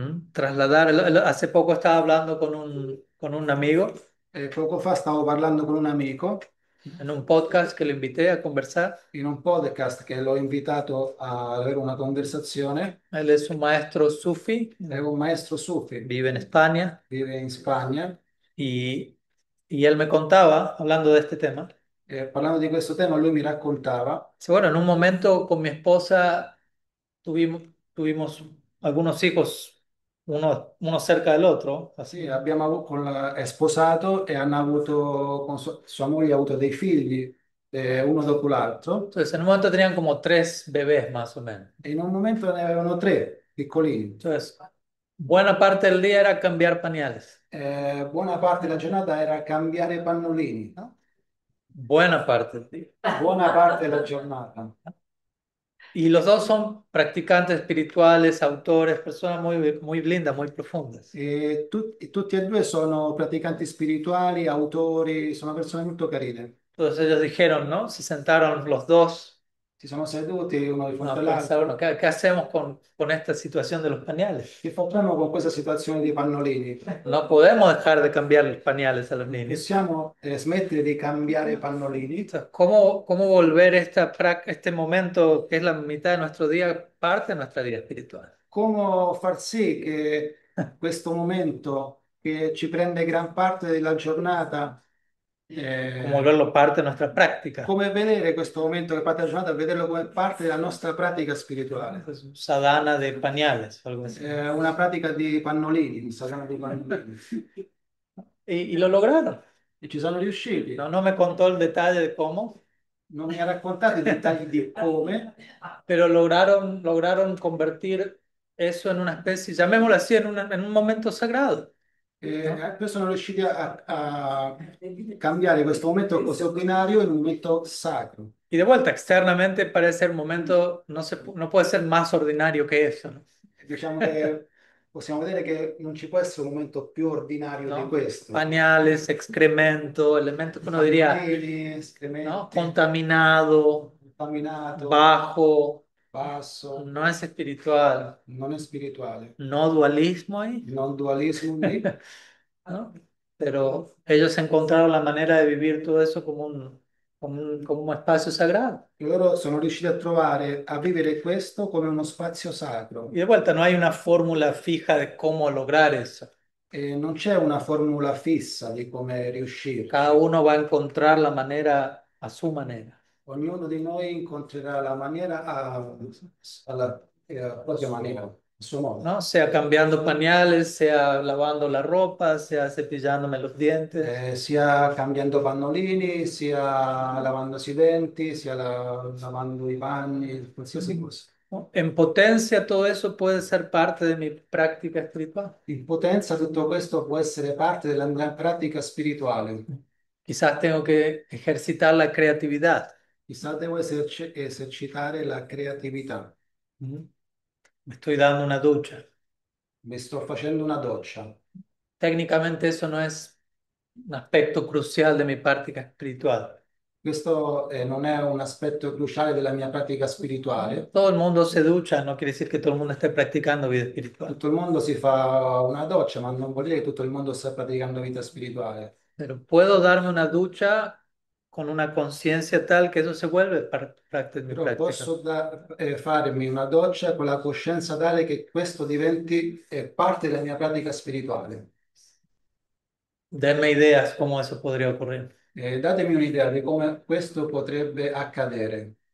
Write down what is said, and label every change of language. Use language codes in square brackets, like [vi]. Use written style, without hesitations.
[es] Trasladar, hace poco estaba hablando con un amigo. [it] Poco fa stavo parlando con un amico [es] En un podcast che lo invité a conversar. [it] in un podcast che l'ho invitato a avere una conversazione. [es] Él es un maestro sufí, [it] È un maestro sufi, [es] vive en España [it] vive in Spagna. [es] y él me contaba, hablando de este tema. [it] Parlando di questo tema, lui mi raccontava. [es] Bueno, en un momento con mi esposa tuvimos algunos hijos, uno cerca del otro. [it] Sì, abbiamo avuto, è sposato e hanno avuto, con sua moglie ha avuto dei figli, uno dopo l'altro. [es] Entonces, en un momento tenían como tres bebés más o menos. [it] E in un momento ne avevano tre, piccolini. [es] Entonces, buena parte del día era cambiar pañales. [it] Buona parte della giornata era cambiare pannolini, no? [es] Buena parte del día. [it] Buona parte della giornata. [es] Y los dos son practicantes espirituales, autores, personas muy, muy lindas, muy profundas. [it] Tutti e due sono praticanti spirituali, autori, sono persone molto carine. [es] Entonces ellos dijeron, ¿no? Se sentaron los dos [it] Si sono seduti uno di fronte [es] pensar, bueno, [it] all'altro. [es] ¿qué hacemos con esta situación de los pañales? [it] Che facciamo con questa situazione di pannolini? [es] No podemos dejar de cambiar los pañales a los niños. [it] Possiamo smettere di cambiare pannolini? [es] ¿Cómo volver este momento que es la mitad de nuestro día, parte de nuestra vida espiritual? [it] Come far sì che questo momento che ci prende gran parte della giornata, [es] ¿Cómo volverlo parte de nuestra práctica? [it] come vedere questo momento che parte della giornata, vederlo come parte della nostra pratica spirituale? [es] Pues, sadhana de pañales, algo así. [it] Una pratica di pannolini, sadhana di pannolini. [es] Y lo lograron. [it] E ci sono riusciti. [es] No, no me contó el detalle de cómo. [it] Non mi ha raccontato i dettagli di come. [es] Pero lograron convertir eso en una especie, llamémoslo así, en un momento sagrado, ¿no? [it] Poi sono riusciti a cambiare questo momento così ordinario in un momento sacro. [es] Y de vuelta, externamente parece un momento, no puede ser más ordinario que eso, [it] Diciamo che possiamo vedere che non ci può essere un momento più ordinario di [es] ¿no? [it] questo. [es] Pañales, excremento, elemento che uno diría, [it] Pannolini, [es] ¿no? [it] escrementi, [es] Contaminado, [it] contaminato, [es] bajo, [it] basso, [es] no es espiritual, [it] non è spirituale. [es] no dualismo ahí, [it] Non dualismo di. [es] ¿no? Pero ellos encontraron la manera de vivir todo eso como un espacio sagrado. [it] Loro sono riusciti a trovare, a vivere questo come uno spazio [es] Y [it] sacro. [es] de vuelta, no hay una fórmula fija de cómo lograr eso. [it] E non c'è una formula fissa di come [es] Cada [it] riuscirci. [es] uno va a encontrar la manera a su manera. [it] Ognuno di noi incontrerà la maniera alla propria maniera, al suo modo. [es] ¿No? Sea cambiando pañales, sea lavando la ropa, sea cepillándome los dientes. [it] Sia cambiando pannolini, sia lavandosi i denti, sia lavando i panni, qualsiasi cosa. [es] En potencia todo eso puede ser parte de mi práctica espiritual. [it] In potenza tutto questo può essere parte della mia pratica spirituale. [es] Quizás tengo que ejercitar la creatividad. [it] Chissà, devo esercitare la creatività. [es] Me estoy dando una ducha. [it] Mi sto facendo una doccia. [es] Técnicamente eso no es un aspecto crucial de mi práctica espiritual. [it] Questo non è un aspetto cruciale della mia pratica spirituale. [es] Todo el mundo se ducha, no quiere decir que todo el mundo esté practicando vida [it] Tutto [es] espiritual. [it] il mondo si fa una doccia, ma non vuol dire che tutto il mondo sta praticando vita spirituale. [es] Pero puedo darme una ducha con una conciencia tal que eso se vuelve parte de mi [it] Però [es] práctica. [it] posso farmi una doccia con la coscienza tale che questo diventi parte della mia pratica spirituale. [es] Denme ideas cómo eso podría ocurrir. [it] Datemi un'idea di come questo potrebbe accadere.